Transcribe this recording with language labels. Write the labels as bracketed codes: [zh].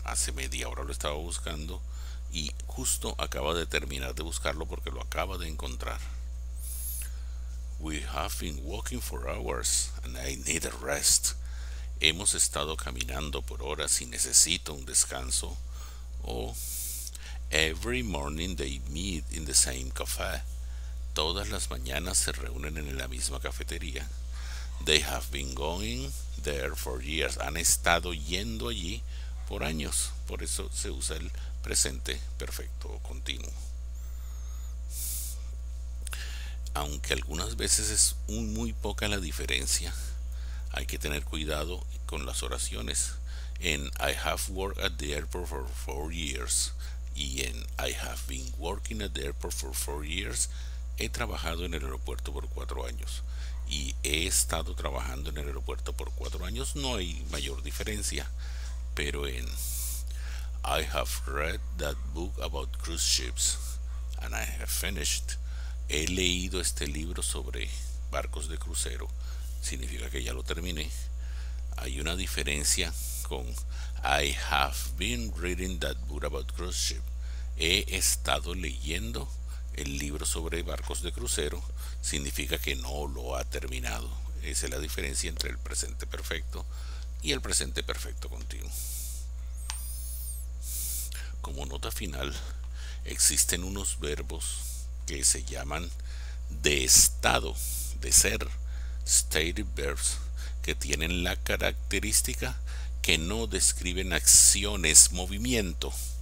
[es] Hace media hora lo estaba buscando y justo acaba de terminar de buscarlo porque lo acaba de encontrar. [en] We have been walking for hours and I need a rest. [es] Hemos estado caminando por horas y necesito un descanso. [en] Every morning they meet in the same cafe. [es] Todas las mañanas se reúnen en la misma cafetería. [en] They have been going there for years. [es] Han estado yendo allí por años. Por eso se usa el presente perfecto continuo. Aunque algunas veces es muy poca la diferencia, hay que tener cuidado con las oraciones. En [en] I have worked at the airport for 4 years [es] y en [en] I have been working at the airport for 4 years, [es] he trabajado en el aeropuerto por 4 años y he estado trabajando en el aeropuerto por 4 años, no hay mayor diferencia. Pero en [en] I have read that book about cruise ships and I have finished. [es] He leído este libro sobre barcos de crucero. Significa que ya lo terminé. Hay una diferencia con [en] I have been reading that book about cruise ship. [es] He estado leyendo el libro sobre barcos de crucero. Significa que no lo ha terminado. Esa es la diferencia entre el presente perfecto y el presente perfecto continuo. Como nota final, existen unos verbos que se llaman de estado, de ser, state verbs, que tienen la característica que no describen acciones, movimiento.